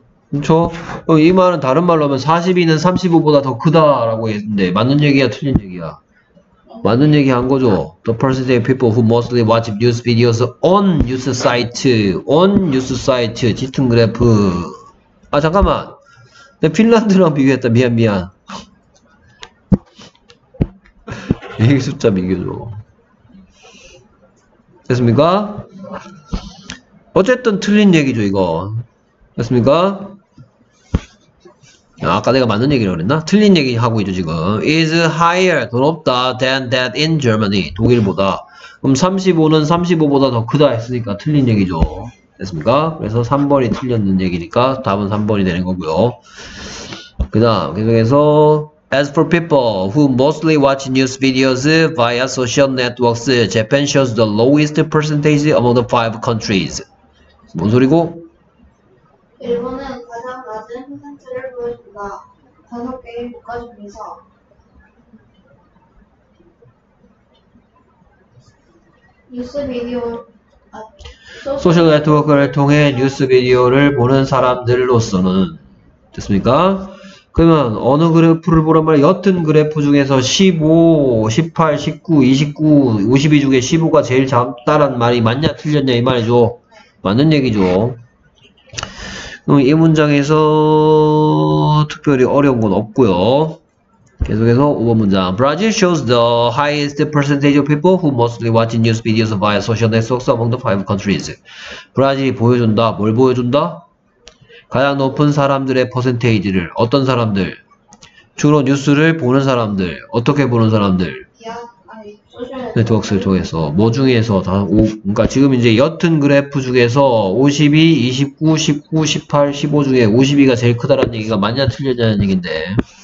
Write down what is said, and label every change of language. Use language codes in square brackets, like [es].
[ko] 그렇죠. 이 말은 다른 말로 하면 42는 35보다 더 크다라고 했는데 맞는 얘기야 틀린 얘기야? 맞는 얘기 한 거죠. [en] The percentage of people who mostly watch news videos on news site, on news site, [ko] 짙은 그래프. 아 잠깐만. 내 핀란드랑 비교했다. 미안. 이 숫자 비교죠. 됐습니까? 어쨌든 틀린 얘기죠 이거. 됐습니까? 야, 아까 내가 맞는 얘기라고 그랬나? 틀린 얘기 하고 있죠 지금. [en] Is higher [ko] 더 높다 [en] than that in Germany [ko] 독일보다. 그럼 35는 35보다 더 크다 했으니까 틀린 얘기죠. 됐습니까? 그래서 3번이 틀렸는 얘기니까 답은 3번이 되는 거고요. 그다음 계속해서. [en] As for people who mostly watch news videos via social networks, Japan shows the lowest percentage among the five countries. [ko] 뭔 소리고? 일본은 가장 낮은 퍼센트를 보여준다. 다섯 개의 국가 중에서. 뉴스 비디오. 소셜 네트워크를 통해 뉴스 비디오를 보는 사람들로서는. 됐습니까? 그러면 어느 그래프를 보란 말이야? 옅은 그래프 중에서 15, 18, 19, 29, 52 중에 15가 제일 작다란 말이 맞냐 틀렸냐 이 말이죠. 맞는 얘기죠. 그럼 이 문장에서 특별히 어려운 건 없고요. 계속해서 5번 문장. [en] Brazil shows the highest percentage of people who mostly watch news videos via social networks among the five countries. [ko] 브라질이 보여준다. 뭘 보여준다? 가장 높은 사람들의 퍼센테이지를. 어떤 사람들? 주로 뉴스를 보는 사람들. 어떻게 보는 사람들? 네트워크를 통해서. 뭐 중에서? 다 5, 그러니까 지금 이제 옅은 그래프 중에서 52, 29, 19, 18, 15 중에 52가 제일 크다라는 얘기가 맞냐, 틀렸냐는 얘기인데.